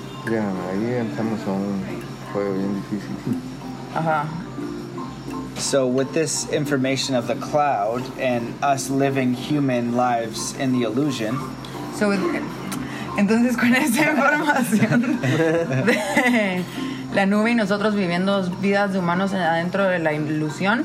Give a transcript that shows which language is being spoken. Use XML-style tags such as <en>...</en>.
<es>Ya, ahí entramos a un juego bien difícil. Ajá.</es> <en>So with this information of the cloud and us living human lives in the illusion... So with...</en> <es>Entonces, con esa información de la nube y nosotros viviendo vidas de humanos adentro de la ilusión.</es>